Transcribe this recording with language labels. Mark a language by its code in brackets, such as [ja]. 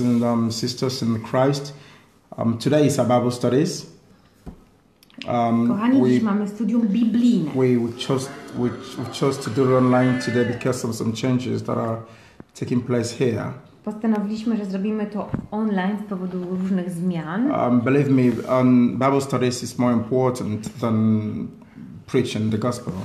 [en] and sisters in Christ, today is our Bible studies. [pl] Kochani, dziś mamy studium biblijne. [en] We chose to do it online today because of some changes that are taking place here. [pl] Postanowiliśmy, że zrobimy to online z powodu różnych zmian. [en] Believe me, Bible studies is more important than preaching the gospel.